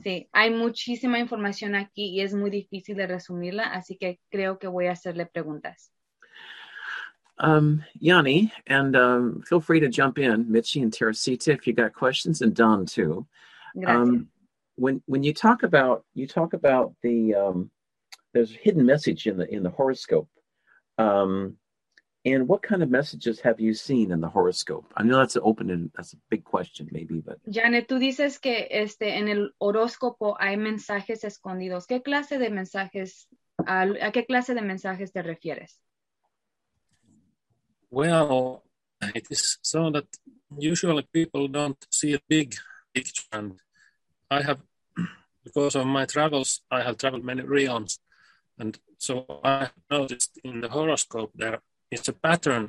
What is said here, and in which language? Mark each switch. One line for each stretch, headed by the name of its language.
Spanish: Sí, hay muchísima información aquí y es muy difícil de resumirla, así que creo que voy a hacerle preguntas.
English: Janne, and feel free to jump in, Michi and Teresita, if you got questions, and Don too.
Spanish: Gracias.
English: When you talk about the there's a hidden message in the horoscope. And what kind of messages have you seen in the horoscope? I know that's an open and that's a big question, maybe, but
Spanish: Janne, tú dices que en el horóscopo hay mensajes escondidos. ¿Qué clase de mensajes a qué clase de mensajes te refieres?
English: Well, it is so that usually people don't see a big picture. And I have, because of my travels, I have traveled many realms. And so I noticed in the horoscope there is a pattern.